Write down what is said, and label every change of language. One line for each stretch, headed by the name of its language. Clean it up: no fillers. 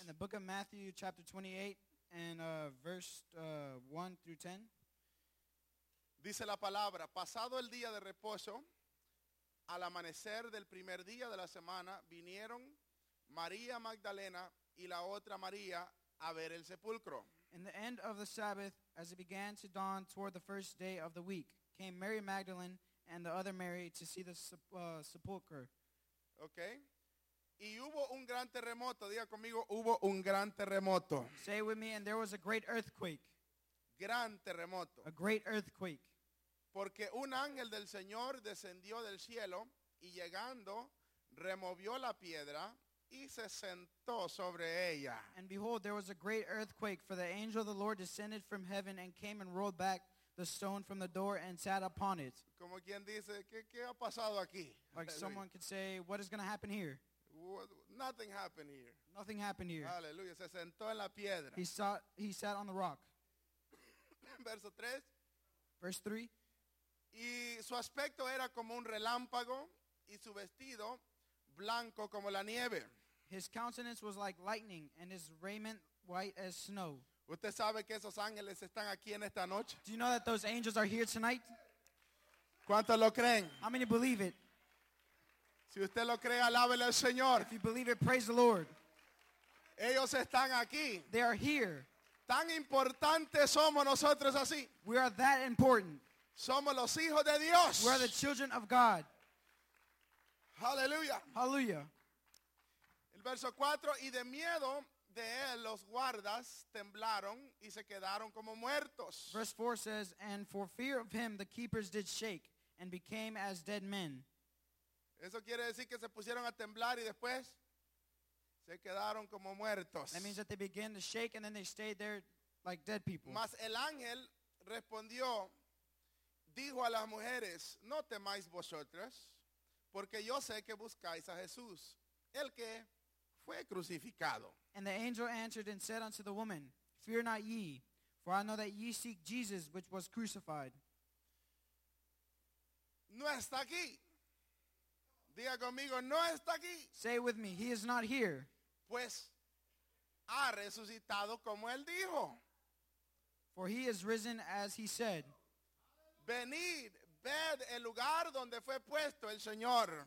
English: In the book of Matthew, chapter 28, and verse 1 through 10.
Spanish: Dice la palabra, pasado el día de reposo, al amanecer del primer día de la semana, vinieron María Magdalena y la otra María a ver el sepulcro.
English: In the end of the Sabbath, as it began to dawn toward the first day of the week, came Mary Magdalene and the other Mary to see the sepulchre. Okay.
Spanish: Y hubo un gran terremoto. Diga conmigo, hubo un gran terremoto.
English: Say with me, and there was a great earthquake.
Spanish: Gran terremoto.
English: A great earthquake.
Spanish: Porque un ángel del Señor descendió del cielo y llegando removió la piedra y se sentó sobre ella.
English: And behold, there was a great earthquake, for the angel of the Lord descended from heaven and came and rolled back the stone from the door and sat upon it.
Spanish: Como quien dice, ¿qué ha pasado aquí?
English: Like someone could say, what is going to happen here? Nothing happened here. Nothing happened here.
Spanish: Aleluya, se sentó en la piedra.
English: He sat on the rock.
Spanish: Verso 3.
English: Verse 3.
Spanish: Y su aspecto era como un relámpago, y su vestido blanco como la nieve.
English: His countenance was like lightning, and his raiment white as snow.
Spanish: ¿Usted sabe que esos ángeles están aquí en esta noche?
English: Do you know that those angels are here tonight?
Spanish: ¿Cuántos lo creen?
English: How many believe it?
Spanish: Si usted lo cree, alábele al Señor.
English: If you believe it, praise the Lord.
Spanish: Ellos están aquí.
English: They are here.
Spanish: Tan importantes somos nosotros así.
English: We are that important.
Spanish: Somos los hijos de Dios.
English: We are the children of God. Hallelujah. Hallelujah.
Spanish: El verso 4, y de miedo de él los guardas temblaron y se quedaron como muertos.
English: Verse 4 says, and for fear of him the keepers did shake and became as dead men.
Spanish: Eso quiere decir que se pusieron a temblar y después se quedaron como muertos.
English: That means that they began to shake and then they stayed there like dead people.
Spanish: Mas el ángel respondió, dijo a las mujeres, no temáis vosotras, porque yo sé que buscáis a Jesús, el que fue crucificado.
English: And the angel answered and said unto the woman, fear not ye, for I know that ye seek Jesus, which was crucified.
Spanish: No está aquí. Diga conmigo, no está aquí.
English: Say with me, he is not here.
Spanish: Pues ha resucitado como él dijo.
English: For he is risen as he said.
Spanish: Venid, ved el lugar donde fue puesto el Señor.